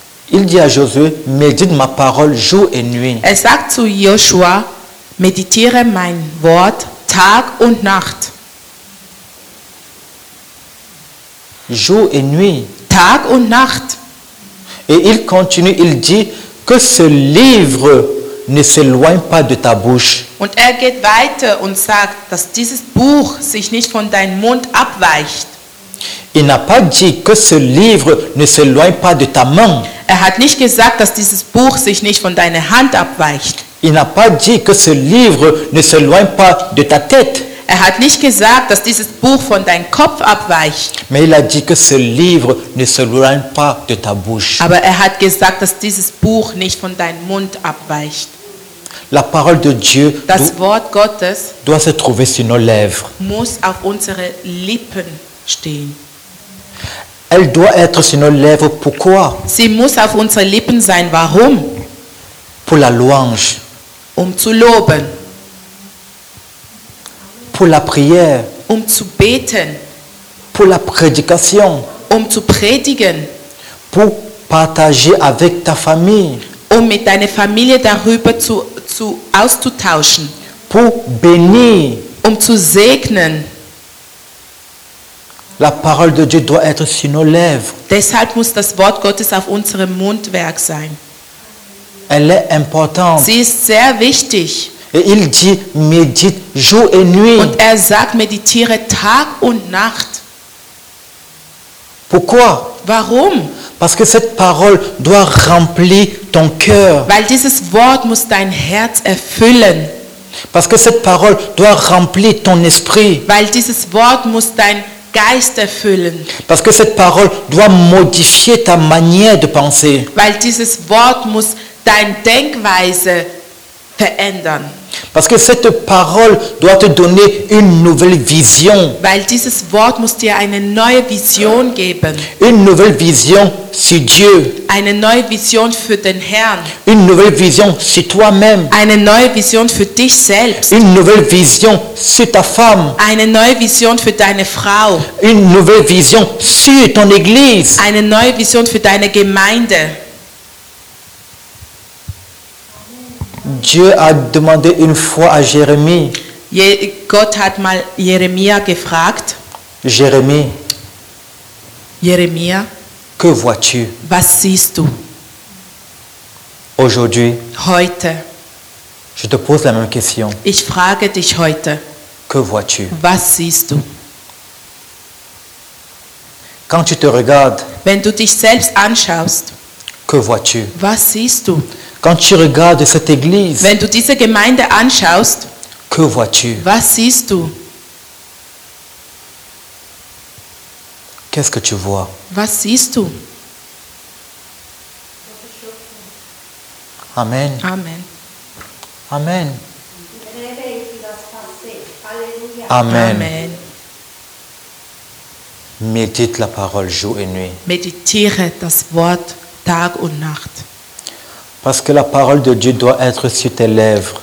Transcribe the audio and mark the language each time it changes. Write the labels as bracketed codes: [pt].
[fr] Il dit à Josué, médite ma parole jour et nuit. [de] Er sagt zu Joshua, meditiere mein Wort Tag und Nacht. [fr] Jour et nuit. [de] Tag und Nacht. [fr] Et il continue, il dit, que ce livre ne s'éloigne pas de ta bouche. [de] Und er geht weiter und sagt, dass dieses Buch sich nicht von deinem Mund abweicht. [fr] Il n'a pas dit que ce livre ne s'éloigne pas de ta main. [de] Er hat nicht gesagt, dass dieses Buch sich nicht von deiner Hand abweicht. [fr] Il n'a pas dit que ce livre ne s'éloigne pas de ta tête. [de] Er hat nicht gesagt, dass dieses Buch von deinem Kopf abweicht. [fr] Mais il a dit que ce livre ne s'éloigne pas de ta bouche. [de] Aber er hat gesagt, dass dieses Buch nicht von deinem Mund abweicht. [fr] La parole de Dieu [de] das Wort Gottes [fr] doit se trouver sur nos lèvres. [de] Muss auf unsere Lippen stehen. [fr] Elle doit être sur nos lèvres pourquoi? [de] Sie muss auf unseren Lippen sein. Warum? [fr] Pour la louange. [de] Um zu loben. [fr] Pour la prière. [de] Um zu beten. [fr] Pour la prédication. [de] Um zu predigen. [fr] Pour partager avec ta famille. [de] Um mit deiner Familie darüber zu auszutauschen. [fr] Pour bénir. [de] Um zu segnen. [fr] La parole de Dieu doit être sur nos lèvres. [de] Deshalb muss das Wort Gottes auf unserem Mundwerk sein. [fr] Elle est importante. [de] Sie ist sehr wichtig. [fr] Et il dit, médite jour et nuit. [de] Und er sagt, meditiere Tag und Nacht. [fr] Pourquoi? [de] Warum? [fr] Parce que cette parole doit remplir ton cœur. [de] Weil dieses Wort muss dein Herz erfüllen. [fr] Parce que cette parole doit remplir ton esprit. [de] Weil dieses Wort muss dein Geist erfüllen. [fr] Parce que cette parole doit modifier ta manière de penser. [de] Weil dieses Wort muss deine Denkweise verändern. [fr] Parce que cette parole doit te donner une nouvelle vision. [de] Weil dieses Wort muss dir eine neue Vision geben. [fr] Une nouvelle vision sur Dieu. [de] Eine neue Vision für den Herrn. [fr] Une nouvelle vision sur toi-même. [de] Eine neue Vision für dich selbst. [fr] Une nouvelle vision sur ta femme. [de] Eine neue Vision für deine Frau. [fr] Une nouvelle vision sur ton église. [de] Eine neue Vision für deine Gemeinde. [fr] Dieu a demandé une fois à Jérémie. [de] Gott hat mal Jeremia gefragt. [fr] Jérémie. [de] Jeremia. [fr] Que vois-tu? [de] Was siehst du? [fr] Aujourd'hui. [de] Heute. [fr] Je te pose la même question. [de] Ich frage dich heute. [fr] Que vois-tu? [de] Was siehst du? [fr] Quand tu te regardes. [de] Wenn du dich selbst anschaust. [fr] Que vois-tu? [de] Was siehst du? [fr] Quand tu regardes cette église, [de] wenn du diese Gemeinde anschaust, [fr] que vois-tu? [de] Was siehst du? [fr] Qu'est-ce que tu vois? [de] Was siehst du? Amen. Amen. Amen. Amen. Amen. [fr] Médite la parole jour et nuit. [de] Meditiere das Wort Tag und Nacht. [fr] Parce que la parole de Dieu doit être sur tes lèvres.